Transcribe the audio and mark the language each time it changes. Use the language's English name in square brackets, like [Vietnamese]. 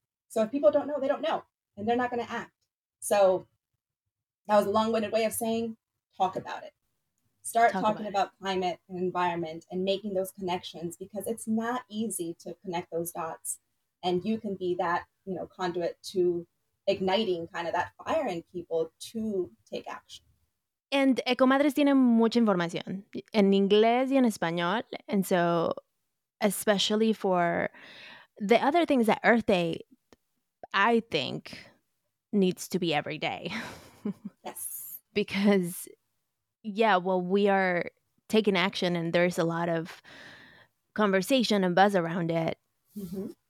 [English] So if people don't know, they don't know, and they're not going to act. So that was a long-winded way of saying, talk about it. Start talking about climate and environment and making those connections, because it's not easy to connect those dots. And you can be that, you know, conduit to igniting kind of that fire in people to take action. And [Spanish] Ecomadres tiene mucha información en inglés y en español. [English] And so, especially for the other things that Earth Day, I think, needs to be every day. Yes. Because, yeah, well, we are taking action and there's a lot of conversation and buzz around it. Mm-hmm.